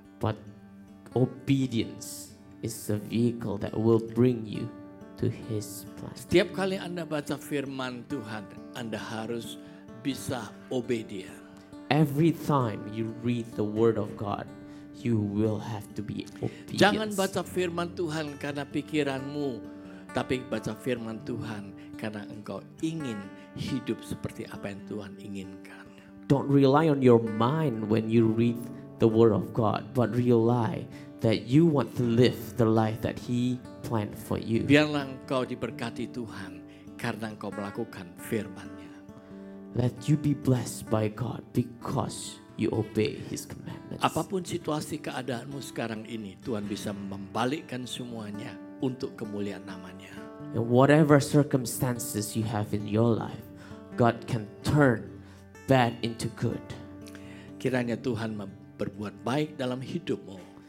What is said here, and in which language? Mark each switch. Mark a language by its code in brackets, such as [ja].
[en] But obedience is the vehicle that will bring you to His plan. [id] Setiap kali Anda baca firman Tuhan, Anda harus bisa obedient. [en] Every time you read the word of God, you will have to be obedient. [id] Jangan baca firman Tuhan karena pikiranmu, tapi baca firman Tuhan karena engkau ingin hidup seperti apa yang Tuhan inginkan. [en] Don't rely on your mind when you read the word of God, but rely that you want to live the life that He planned for you. [id] Biarlah engkau diberkati Tuhan karena engkau melakukan firman-Nya. [en] Let you be blessed by God because you obey His commandments. [id] Apapun situasi keadaanmu sekarang ini, Tuhan bisa membalikkan semuanya untuk kemuliaan nama-Nya. [en] In whatever circumstances you have in your life, God can turn bad into good. [id] Kiranya Tuhan berbuat baik dalam hidupmu.